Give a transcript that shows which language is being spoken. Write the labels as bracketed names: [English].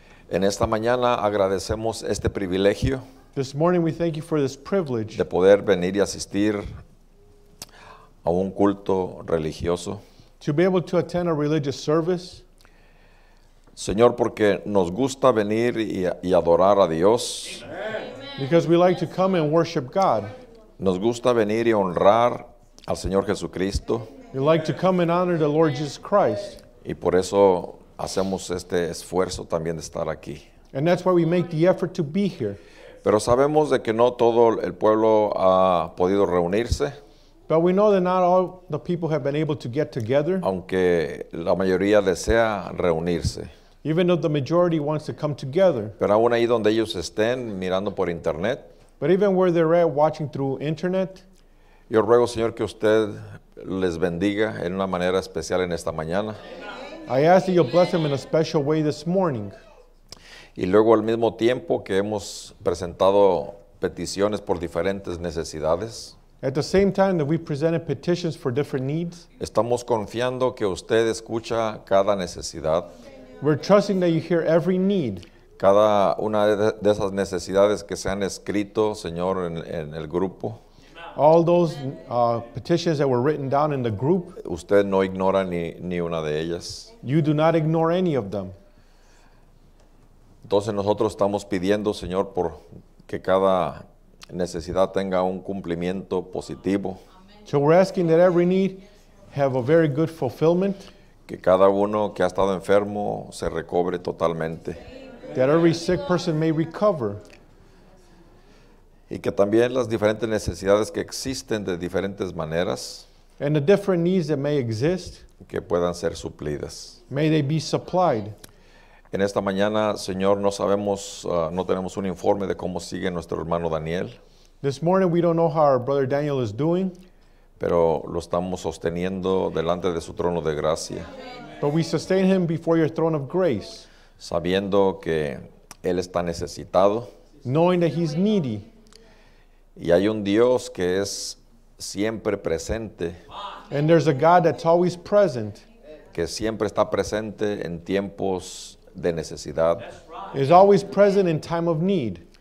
[Spanish] En esta mañana agradecemos este privilegio. [English] This morning we thank you for this privilege. [Spanish] De poder venir y asistir a un culto religioso. [English] To be able to attend a religious service. [Spanish] Señor, porque nos gusta venir y adorar a Dios. Amen. [English] Because we like to come and worship God. [Spanish] Nos gusta venir y honrar al Señor Jesucristo. [English] We like to come and honor the Lord Jesus Christ. [Spanish] Y por eso hacemos este esfuerzo también de estar aquí. [English] And that's why we make the effort to be here. [Spanish] Pero sabemos de que no todo el pueblo ha podido reunirse. [English] But we know that not all the people have been able to get together. [Spanish] Aunque la mayoría desea reunirse. [English] Even though the majority wants to come together. [Spanish] Pero aún ahí donde ellos estén, mirando por internet. [English] But even where they're at, watching through internet. [Spanish] Yo ruego, Señor, que usted les bendiga en una manera especial en esta mañana. [English] I ask that you'll bless them in a special way this morning. [Spanish] Y luego al mismo tiempo que hemos presentado peticiones por diferentes necesidades. [English] At the same time that we presented petitions for different needs. [Spanish] Estamos confiando que usted escucha cada necesidad. [English] We're trusting that you hear every need. [Spanish] Cada una de esas necesidades que se han escrito, Señor, en el grupo. [English] All those petitions that were written down in the group. [Spanish] Usted no ignora ni una de ellas. [English] You do not ignore any of them. [Spanish] Entonces nosotros estamos pidiendo, Señor, por que cada necesidad tenga un cumplimiento positivo. [English] So we're asking that every need have a very good fulfillment. [Spanish] Que cada uno que ha estado enfermo se recobre totalmente. [English] That every sick person may recover. [Spanish] Y que también las diferentes necesidades que existen de diferentes maneras. [English] And the different needs that may exist. [Spanish] Que puedan ser suplidas. [English] May they be supplied. [Spanish] En esta mañana, Señor, no sabemos, no tenemos un informe de cómo sigue nuestro hermano Daniel. [English] This morning we don't know how our brother Daniel is doing. [Spanish] Pero lo estamos sosteniendo delante de su trono de gracia. [English] But we sustain him before your throne of grace. [Spanish] Sabiendo que él está necesitado. [English] Knowing that he's needy. [Spanish] Y hay un Dios que es siempre presente. [English] And there's a God that's always present. [Spanish] Que siempre está presente en tiempos de necesidad. [English] Is always present in time of need.